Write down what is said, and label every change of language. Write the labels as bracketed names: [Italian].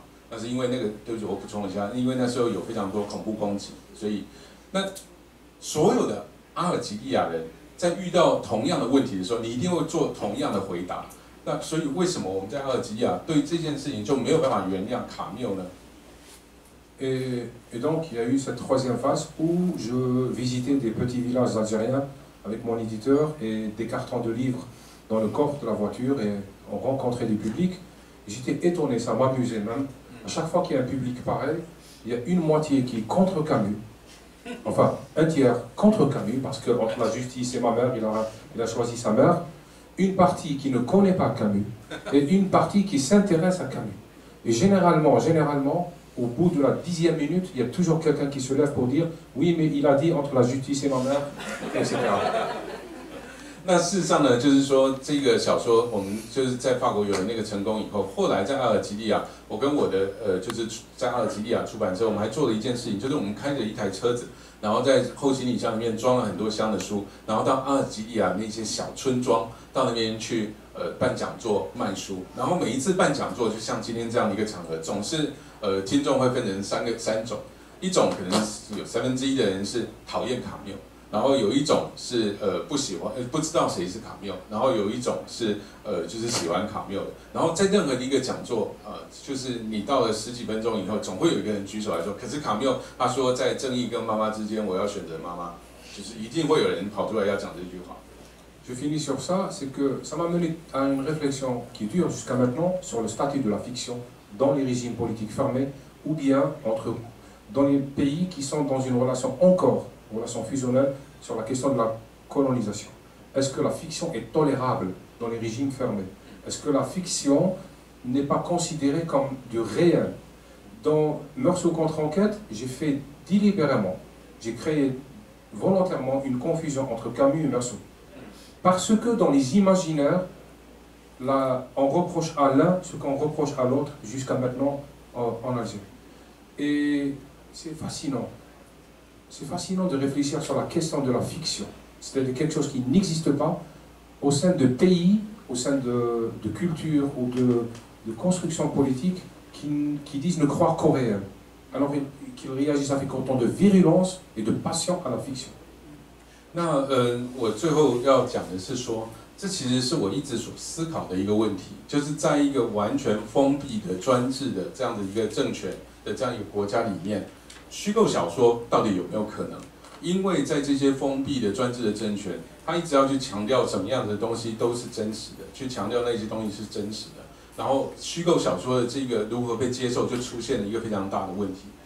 [Chinese] 那是因为那个，对不起，我补充一下，因为那时候有非常多恐怖攻击，所以那所有的阿尔及利亚人在遇到同样的问题的时候，你一定会做同样的回答。那所以为什么我们在阿尔及利亚对这件事情就没有办法原谅卡缪呢 [French] ？Et donc il y a eu cette troisième phase où je visitais des petits villages algériens avec mon éditeur et des cartons de livres dans le coffre de la voiture et on rencontrait du public. J'étais étonné, ça m'amusait même. À chaque fois qu'il y a un public pareil, il y a une moitié qui est contre Camus, enfin un tiers contre Camus, parce qu'entre la justice et ma mère, il a choisi sa mère, une partie qui ne connaît pas Camus, et une partie qui s'intéresse à Camus. Et généralement, au bout de la dixième minute, il y a toujours quelqu'un qui se lève pour dire « Oui, mais il a dit entre la justice et ma mère, etc. » [Chinese] 那事实上呢，就是说这个小说，我们就是在法国有了那个成功以后，后来在阿尔及利亚我跟我的就是在阿尔及利亚出版之后，我们还做了一件事情，就是我们开着一台车子，然后在后行李箱里面装了很多箱的书，然后到阿尔及利亚那些小村庄，到那边去办讲座卖书。然后每一次办讲座，就像今天这样的一个场合，总是听众会分成三种，一种可能有三分之一的人是讨厌卡缪，然后有一种是不喜欢不知道谁是卡缪，然后有一种是就是喜欢卡缪的。然后在任何一个讲座就是你到了十几分钟以后，总会有一个人举手来说，可是卡缪他说在正义跟妈妈之间，我要选择妈妈，就是一定会有人跑出来要讲这句话。 [French] je finis sur ça, c'est que ça m'a mené à une réflexion qui dure jusqu'à maintenant sur le statut de la fiction dans les régimes politiques fermés ou bien entre dans les pays qui sont dans une relation encore, relation fusionnelle, sur la question de la colonisation. Est-ce que la fiction est tolérable dans les régimes fermés? Est-ce que la fiction n'est pas considérée comme du réel? Dans Meurs ou contre-enquête, j'ai fait délibérément, j'ai créé volontairement une confusion entre Camus et Meursault. Parce que dans les imaginaires, là, on reproche à l'un ce qu'on reproche à l'autre jusqu'à maintenant en Algérie. Et c'est fascinant. C'est fascinant de réfléchir sur la question de la fiction. C'est-à-dire quelque chose qui n'existe pas au sein de pays, au sein de culture ou de construction politique qui disent ne croire qu'au réel. Alors qu'ils réagissent avec autant de virulence et de passion à la fiction. [Chinese] 那我最后要讲的是说，这其实是我一直所思考的一个问题，就是在一个完全封闭的专制的这样的一个政权的这样一个国家里面，虚构小说到底有没有可能？因为在这些封闭的专制的政权，他一直要去强调什么样的东西都是真实的，去强调那些东西是真实的，然后虚构小说的这个如何被接受，就出现了一个非常大的问题。